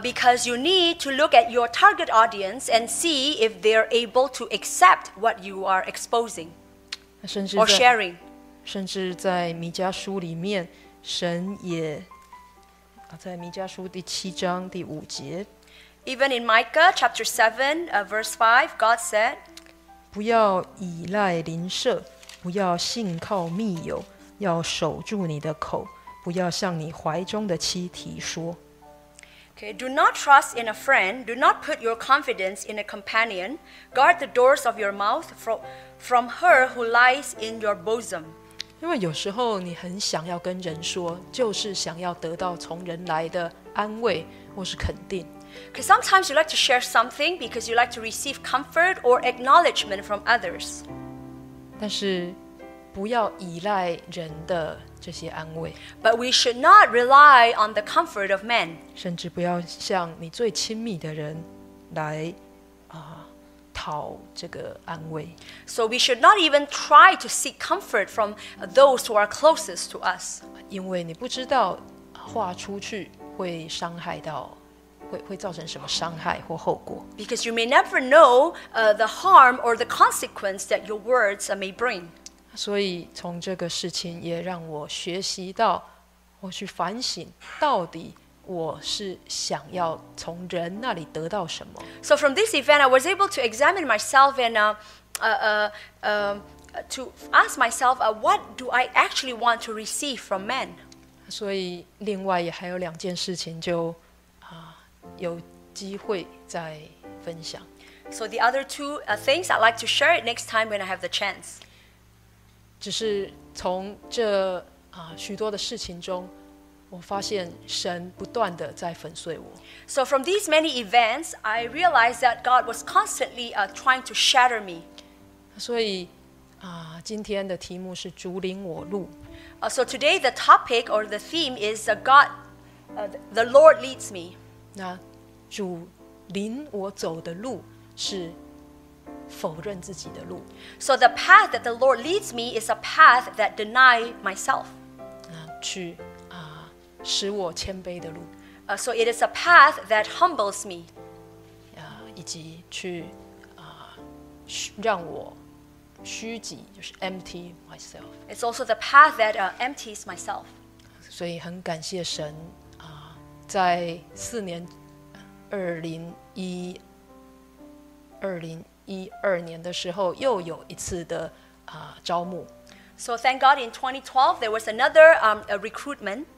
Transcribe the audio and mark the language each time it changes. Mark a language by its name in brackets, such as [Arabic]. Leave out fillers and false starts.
[English] Because you need to look at your target audience and see if they're able to accept what you are exposing or sharing. [Chinese] 甚至在弥迦书里面，神也在弥迦书第七章第五节。 [English] Even in Micah chapter 7, verse 5, God said, [Chinese] 不要依赖邻舍，不要信靠密友，要守住你的口，不要向你怀中的妻提说。 [English] Okay, do not trust in a friend. Do not put your confidence in a companion. Guard the doors of your mouth from her who lies in your bosom. [Chinese] 因为有时候你很想要跟人说，就是想要得到从人来的安慰或是肯定。 [English] Because sometimes you like to share something because you like to receive comfort or acknowledgement from others. [Chinese] 但是不要依赖人的这些安慰。 [English] But we should not rely on the comfort of men. [Chinese] 甚至不要向你最亲密的人来讨这个安慰。 [English] So we should not even try to seek comfort from those who are closest to us. [Chinese] 因为你不知道话出去会伤害到会造成什么伤害或后果。 [English] Because you may never know the harm or the consequence that your words may bring. [Chinese] 所以从这个事情也让我学习到，我去反省到底我是想要从人那里得到什么。 [English] So from this event, I was able to examine myself and to ask myself, what do I actually want to receive from men? [Chinese] 所以另外也还有两件事情就有机会再分享。 [English] So the other two things I'd like to share it next time when I have the chance. [Chinese] 只是从这许多的事情中，我发现神不断的在粉碎我。 [English] So from these many events, I realized that God was constantly trying to shatter me. [Chinese] 所以今天的题目是主领我路。 [English] So today the topic or the theme is God, the Lord leads me. [Chinese] 那主领我走的路是否认自己的路。 [English] So the path that the Lord leads me is a path that deny myself. [Chinese] 去使我谦卑的路。 [English] So it is a path that humbles me. [Chinese] 以及去让我虚己，就是 [English] empty myself. It's also the path that empties myself. [Chinese] 所以很感谢神在四年2012年的时候又有一次的招募。 [English] So thank God in 2012 there was another recruitment.